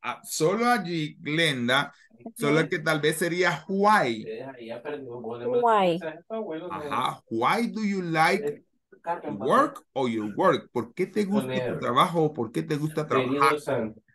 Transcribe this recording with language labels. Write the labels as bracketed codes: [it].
[es] Solo allí, Glenda, solo que tal vez sería why. [en] Why? Ajá. Why do you like work or your work? [es] ¿Por qué te gusta tu trabajo o por qué te gusta trabajar?